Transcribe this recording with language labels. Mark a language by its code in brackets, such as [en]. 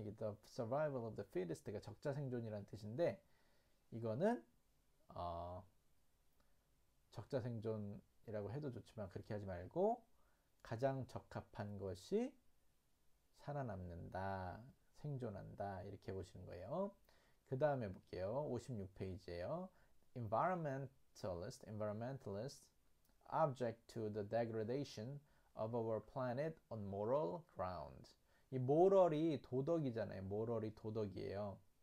[ko] 이게 [en] The Survival of the Fittest [ko] 가 적자 생존이라는 뜻인데, 이거는, 적자 생존이라고 해도 좋지만, 그렇게 하지 말고, 가장 적합한 것이 살아남는다, 생존한다, 이렇게 보시는 거예요. 그 다음에 볼게요. 56페이지에요. [en] Environmentalist object to the degradation of our planet on moral ground. [ko] 이 모럴이 도덕이잖아요. 모럴이 도덕이에요.